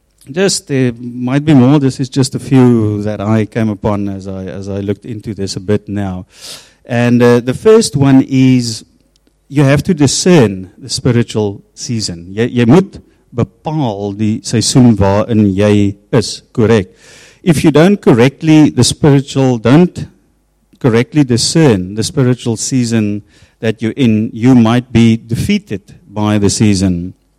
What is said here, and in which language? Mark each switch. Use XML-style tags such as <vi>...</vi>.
<en>Just, there might be more, this is just a few that I came upon as I looked into this a bit now. And the first one is, you have to discern the spiritual season.</en> <af>Jy moet bepaal die seisoen waarin jy is, correct.</af> <en>If you don't correctly discern the spiritual season that you're in, you might be defeated by the season.</en>